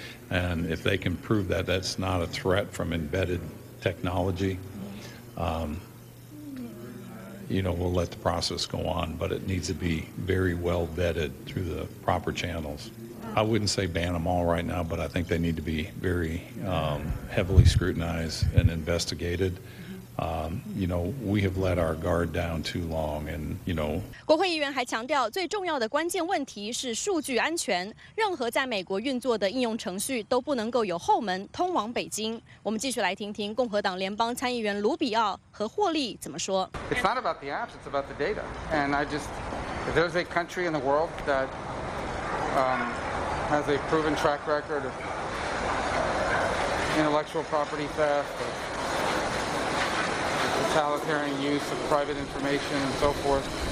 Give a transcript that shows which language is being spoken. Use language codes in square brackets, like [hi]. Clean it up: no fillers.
[en] And if they can prove that that's not a threat from embedded technology, we'll let the process go on. But it needs to be very well vetted through the proper channels. I wouldn't say ban them all right now, but I think they need to be very heavily scrutinized and investigated. We have let our guard down too long, and you know. [zh] 国会议员还强调，最重要的关键问题是数据安全。任何在美国运作的应用程序都不能够有后门通往北京。我们继续来听听共和党联邦参议员卢比奥和霍利怎么说。 [en] It's not about the apps; it's about the data. And I just, if there's a country in the world that. Has a proven track record of intellectual property theft, of totalitarian use of private information and so forth.